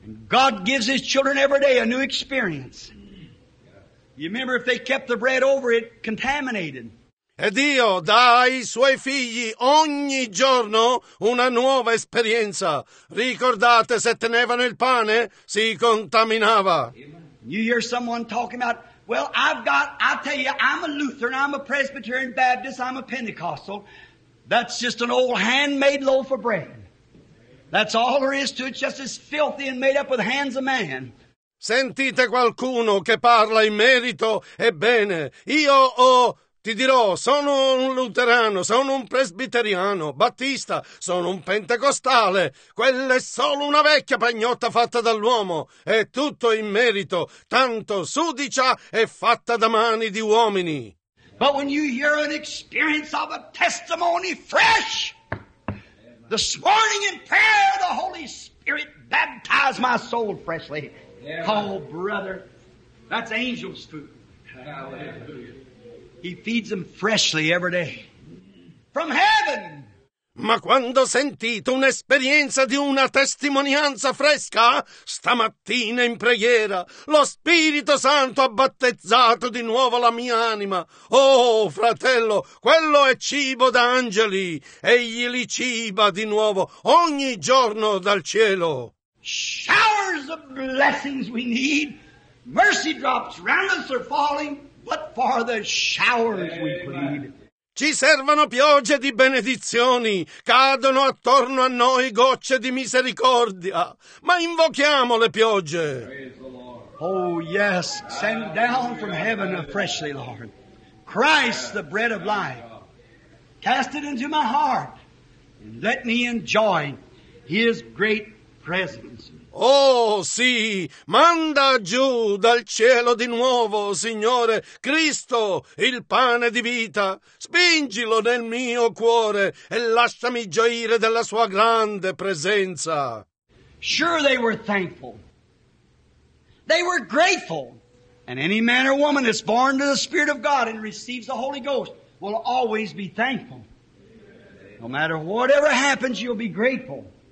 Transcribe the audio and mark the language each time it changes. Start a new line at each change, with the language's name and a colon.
English: God gives his children every day a new experience. You remember if they kept the bread over it contaminated.
Italian: E Dio dà ai suoi figli ogni giorno una nuova esperienza. Ricordate, se tenevano il pane, si contaminava.
English: You hear someone talking about, well, I'll tell you, I'm a Lutheran, I'm a Presbyterian Baptist, I'm a Pentecostal. That's just an old handmade loaf of bread. That's all there is to it, just as filthy and made up with hands of man.
Italian: Sentite qualcuno che parla in merito? Ebbene, io ho... Ti dirò, sono un luterano, sono un presbiteriano, battista, sono un pentecostale. Quella è solo una vecchia pagnotta fatta dall'uomo. È tutto in merito, tanto sudicia e fatta da mani di uomini.
English: But when you hear an experience of a testimony fresh, this morning in prayer the Holy Spirit baptized my soul freshly. Oh, brother, that's angel's food. Hallelujah. He feeds them freshly every day. From heaven!
Italian: Ma quando sentite un'esperienza di una testimonianza fresca, stamattina in preghiera, lo Spirito Santo ha battezzato di nuovo la mia anima. Oh, fratello, quello è cibo da angeli. Egli li ciba di nuovo ogni giorno dal cielo.
English: Showers of blessings we need. Mercy drops round us are falling. But for the showers we plead.
Italian: Ci servono piogge di benedizioni, cadono attorno a noi gocce di misericordia, ma invochiamo le piogge.
English: Oh yes, send down from heaven freshly, Lord. Christ, the bread of life, cast it into my heart, and let me enjoy his great presence.
Italian: Oh, sì, manda giù dal cielo di nuovo, Signore, Cristo, il pane di vita. Spingilo nel mio cuore e lasciami gioire della sua grande presenza.
English: Sure, they were thankful. They were grateful. And any man or woman that's born to the Spirit of God and receives the Holy Ghost will always be thankful. No matter whatever happens, you'll be grateful.